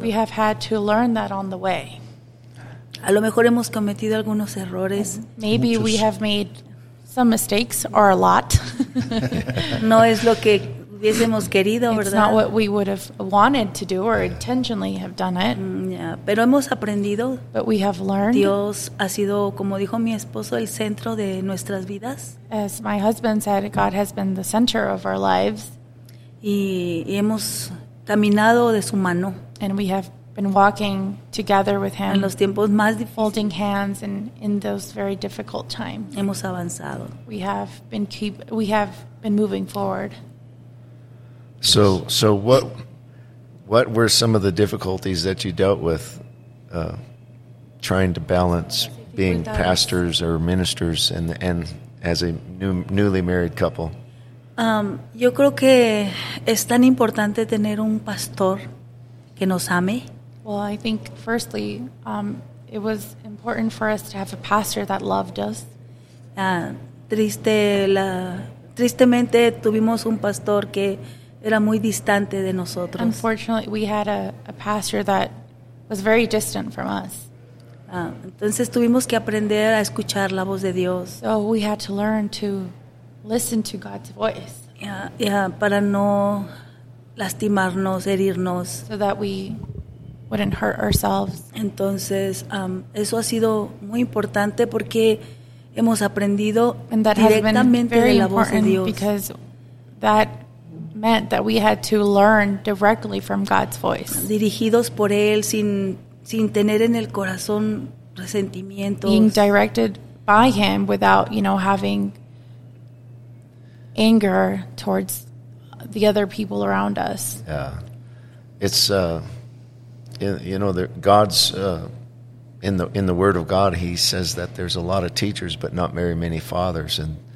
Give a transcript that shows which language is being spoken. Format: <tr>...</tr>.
<en>We have had to learn that on the way.</en> <es>A lo mejor hemos cometido algunos errores.</es> <en>Maybe we have made some mistakes, or a lot.</en> <es>No es lo que hubiésemos querido, ¿verdad?</es> <en>It's not what we would have wanted to do or intentionally have done it.</en> <es>Yeah, pero hemos aprendido.</es> <en>But we have learned.</en> <es>Dios ha sido, como dijo mi esposo, el centro de nuestras vidas.</es> <en>As my husband said, God has been the center of our lives.</en> <es>Y hemos caminado de su mano.</es> <en>And we have been walking together with him.</en> <es>En los tiempos más difíciles.</es> <en>Holding hands and in those very difficult times.</en> <es>Hemos avanzado.</es> <en>We have been moving forward. So what were some of the difficulties that you dealt with trying to balance being pastors or ministers and as a newly married couple?</en> <es>Yo creo que es tan importante tener un pastor que nos ame.</es> <en>Well, I think firstly, it was important for us to have a pastor that loved us.</en> <es>Tristemente tuvimos un pastor que era muy distante de nosotros.</es> <en>Unfortunately, we had a pastor that was very distant from us.</en> <es>Entonces tuvimos que aprender a escuchar la voz de Dios.</es> <en>So we had to learn to listen to God's voice.</en> <es>Yeah, para no lastimarnos, herirnos.</es> <en>So that we wouldn't hurt ourselves.</en> <es>Entonces, eso ha sido muy importante porque hemos aprendido directamente de la voz de Dios.</es> <en>Because that meant that we had to learn directly from God's voice.</en> <es>Dirigidos por él sin tener en el corazón resentimientos.</es> <en>Being directed by him without, having anger towards the other people around us. Yeah. It's God's in the word of God, he says that there's a lot of teachers but not very many fathers, and</en>